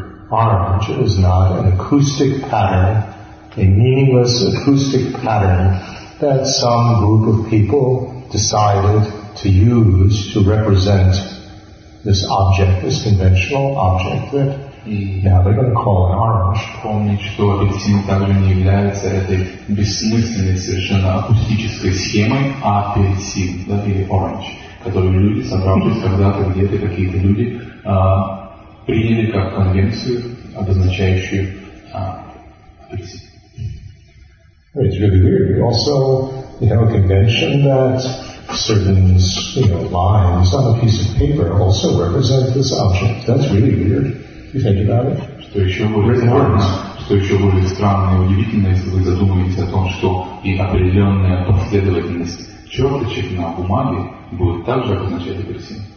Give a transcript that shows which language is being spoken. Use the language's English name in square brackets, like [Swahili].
[English] Orange is not an acoustic pattern, a meaningless acoustic pattern that some group of people decided to use to represent this object, this conventional object that now they're going to call an orange. [Russian] Помнить, что апельсин также не является этой бессмысленной совершенно акустической схемой апельсин, да, или orange, которую люди, собравшись когда-то, где-то какие-то люди, приняли как конвенцию, обозначающую апельсин. [English] It's really weird. Also, you have a convention that certain, you know, lines on a piece of paper also represent this object. That's really weird. You think about it. [Russian] Что еще более странно, и удивительно, если вы задумаетесь о том, что и определенная последовательность черточек на бумаге будет также обозначать апельсин.